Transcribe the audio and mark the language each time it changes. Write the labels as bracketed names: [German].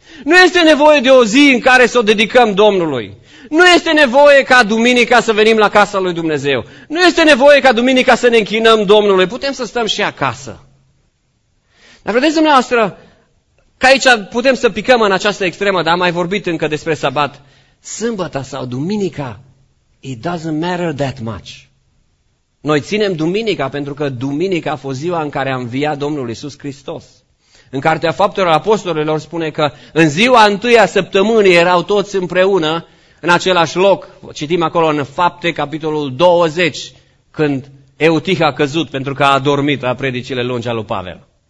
[Romanian] Nu este nevoie de o zi în care să o dedicăm Domnului. Nu este nevoie ca duminica să venim la casa lui Dumnezeu. Nu este nevoie ca duminica să ne închinăm Domnului. Putem să stăm și acasă. Dar vedeți dumneavoastră că aici putem să picăm în această extremă, dar am mai vorbit încă despre sabat. Sâmbăta sau duminica, [English] it doesn't matter that much. [Romanian] Noi ținem duminica pentru că duminica a fost ziua în care a înviat Domnul Iisus Hristos. În Cartea Faptelor Apostolilor spune că în ziua întâia săptămânii erau toți împreună în același loc. Citim acolo în Fapte, capitolul 20, când Eutih a căzut pentru că a adormit la predicile lungi a lui Pavel.